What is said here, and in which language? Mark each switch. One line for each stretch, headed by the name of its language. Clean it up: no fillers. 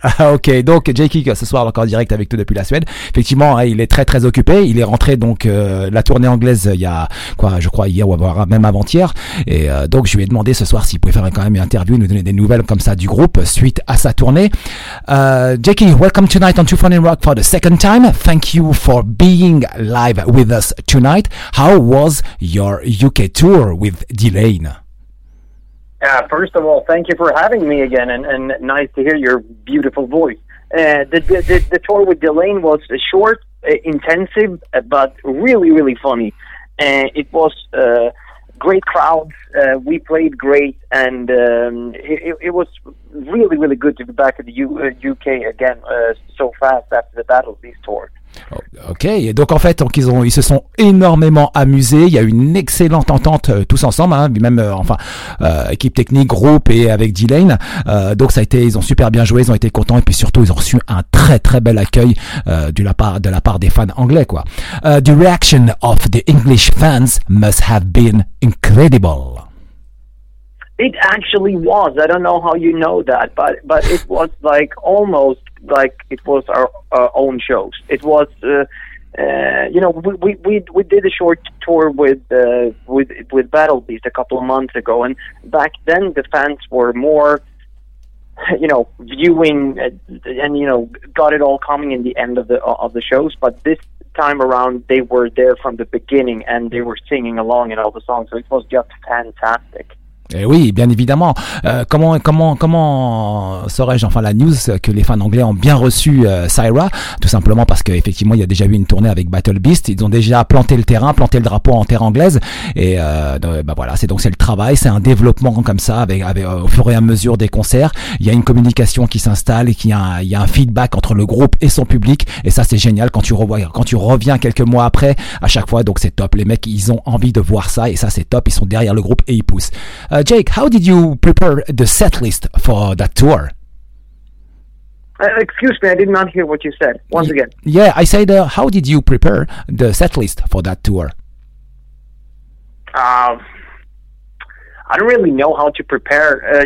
French: Ok, donc Jake E, ce soir encore en direct avec nous depuis la Suède. Effectivement, il est très très occupé. Il est rentré donc la tournée anglaise il y a quoi, je crois hier ou même avant-hier. Et donc je lui ai demandé ce soir s'il pouvait faire quand même une interview, nous donner des nouvelles comme ça du groupe suite à sa tournée.
English: Jake E, welcome tonight on Two Funny Rock for the second time. Thank you for being live with us tonight. How was your UK tour with D-Lane? First of all, thank you for having me again, and nice to hear your beautiful voice. The tour with D-Lane was short, intensive, but really, really funny. It was a great crowd. We played great, and it was really, really good to be back at the UK again so fast after the battle of this tour.
French: Ok, et donc en fait, donc ils se sont énormément amusés. Il y a eu une excellente entente tous ensemble, hein, même équipe technique, groupe et avec D-Lane. Donc ça a été, ils ont super bien joué, ils ont été contents et puis surtout ils ont reçu un très très bel accueil de la part des fans anglais quoi.
English: The reaction of the English fans must have been incredible. It actually was. I don't know how you know that, but it was like almost like it was our own shows. It was, we did a short tour with Battle Beast a couple of months ago, and back then the fans were more, you know, viewing and you know got it all coming in the end of the shows. But this time around, they were there from the beginning and they were singing along in all the songs. So it was just fantastic.
French: Et oui, bien évidemment. Comment saurais-je enfin la news que les fans anglais ont bien reçu Syra? Tout simplement parce que effectivement, il y a déjà eu une tournée avec Battle Beast. Ils ont déjà planté le terrain, planté le drapeau en terre anglaise. Et voilà, c'est le travail, c'est un développement comme ça avec au fur et à mesure des concerts. Il y a une communication qui s'installe, il y a un feedback entre le groupe et son public. Et ça, c'est génial quand tu reviens quelques mois après. À chaque fois, donc c'est top. Les mecs, ils ont envie de voir ça et ça, c'est top. Ils sont derrière le groupe et ils poussent.
English: Jake, how did you prepare the set list for that tour? Excuse me, I did not hear what you said. Once again. Yeah, I said, how did you prepare the set list for that tour? I don't really know how to prepare.